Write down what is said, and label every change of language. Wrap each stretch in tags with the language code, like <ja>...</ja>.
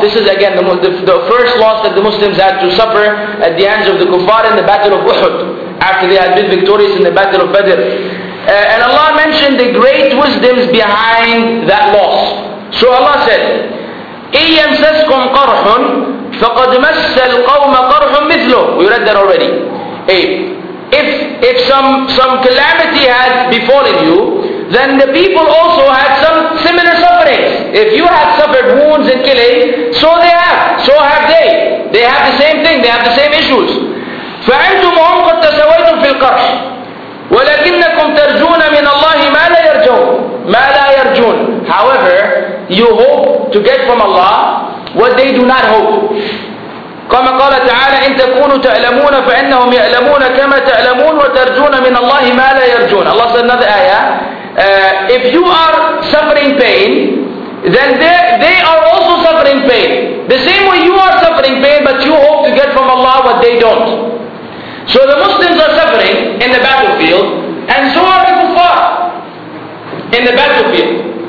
<en>This is again the first loss that the Muslims had to suffer at the hands of the Kuffar in the Battle of Uhud, after they had been victorious in the Battle of Badr. And Allah mentioned the great wisdoms behind that loss. So Allah said,</en> <ar>إِن يَمْسَسْكُمْ قَرْحٌ فَقَدْ مَسَّ الْقَوْمَ قَرْحٌ مِثْلُهُ.</ar> <en>We read that already. If some calamity had befallen you, then the people also had some similar sufferings. If you had suffered wounds and killing, so they have. So have they. They have the same thing. They have the same issues.</en> <ar>فَأَنْتُمْ هُمْ قَدْ تَسَوَيْتُمْ فِي الْقَرْحِ وَلَكِنَّكُمْ تَرْجُونَ مِنَ اللَّهِ مَا لَا يَرْجُونَ مَا لَا يَرْجُونَ.</ar> <en>However, you hope to get from Allah what they do not hope.</en> <ar>كما قال تعالى إن تكونوا تعلمون فإنهم يعلمون كما تعلمون وترجون من الله ما لا يرجون.</ar> <en>Allah said another ayah, if you are suffering pain, then they are also suffering pain. The same way you are suffering pain, but you hope to get from Allah what they don't. So the Muslims are suffering in the battlefield, and so are the kuffar in the battlefield.</en>